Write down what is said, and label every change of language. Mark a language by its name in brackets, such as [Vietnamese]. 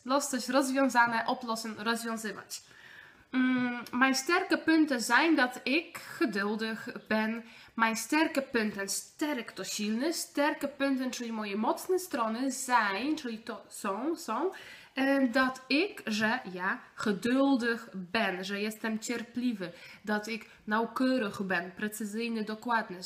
[Polish] Los, coś rozwiązane, oplossen, rozwiązywać. [Dutch] Mijn sterke punten zijn dat ik geduldig ben. Mijn sterke punten, [Polish] sterk to silny, sterke punten, czyli moje mocne strony, zijn, czyli to są, dat ik, że ja geduldig ben, że jestem cierpliwy, [Dutch] dat ik nauwkeurig ben, [Polish] precyzyjny, dokładny.